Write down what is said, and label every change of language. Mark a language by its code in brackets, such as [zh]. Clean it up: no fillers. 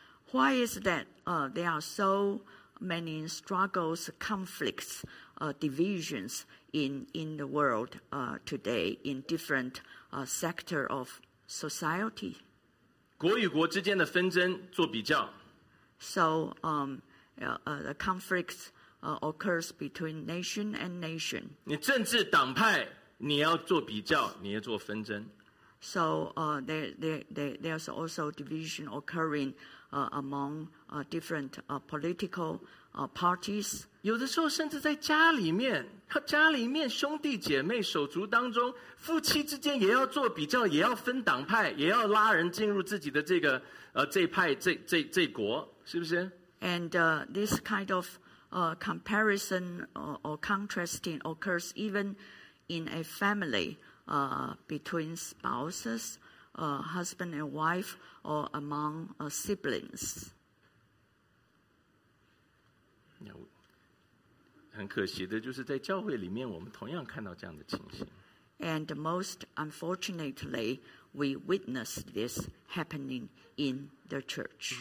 [en] Why is that there are so many struggles, conflicts, divisions in the world today in different sector of society? [zh] 国与国之间的纷争做比较。 [en] So the conflicts occurs between nation and nation. [zh] 你政治党派你要做比较，你要做纷争。 [en] So there's also division occurring among different political parties. [zh] 有的时候甚至在家里面，家里面兄弟姐妹手足当中，夫妻之间也要做比较，也要分党派，也要拉人进入自己的这个这派这国，是不是？ [en] And this kind of comparison or contrasting occurs even in a family. Between spouses, husband and wife, or among siblings. [zh] 很可惜的，就是在教会里面，我们同样看到这样的情形。 [en] And most unfortunately, we witness this happening in the church.